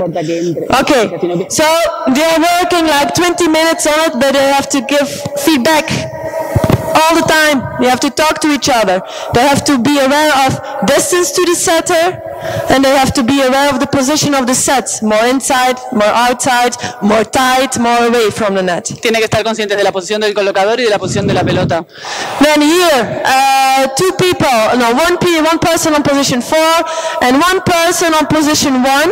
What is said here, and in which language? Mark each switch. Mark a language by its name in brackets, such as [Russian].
[English] Okay, so they are working like 20 minutes on it, but they have to give feedback all the time. They have to talk to each other. They have to be aware of distance to the setter, and they have to be aware of the position of the sets, more inside, more outside, more tight, more away from the net. [Spanish] Tiene que estar consciente de la posición del colocador y de la posición de la pelota. [English] Then here, one person on position 4 and one person on position 1.